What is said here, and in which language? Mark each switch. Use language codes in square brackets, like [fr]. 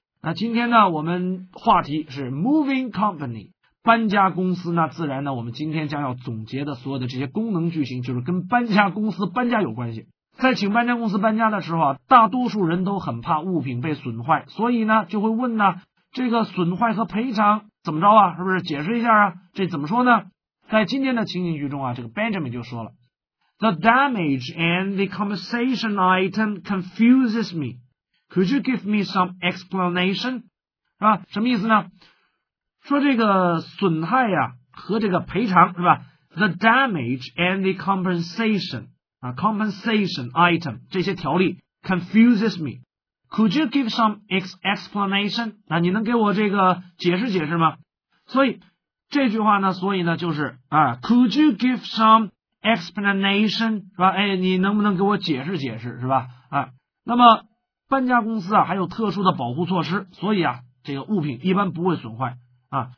[zh] 那今天呢我们话题是 moving company， 搬家公司，那自然呢我们今天将要总结的所有的这些功能句型就是跟搬家公司搬家有关系。在请搬家公司搬家的时候啊，大多数人都很怕物品被损坏，所以呢就会问呢，这个损坏和赔偿怎么着啊，是不是解释一下啊，这怎么说呢？在今天的情景剧中啊，这个 Benjamin 就说了， [en] The damage and the compensation item confuses me. Could you give me some explanation? [zh] 是吧，什么意思呢？说这个损害啊和这个赔偿是吧， [en] The damage and the compensation compensation item [zh] 这些条例 [en] confuses me. Could you give some explanation? [zh] 那你能给我这个解释解释吗？所以这句话呢，所以呢就是啊 ， [en] Could you give some explanation？ [zh] 是吧？哎，你能不能给我解释解释？是吧？啊，那么搬家公司啊还有特殊的保护措施，所以啊这个物品一般不会损坏啊。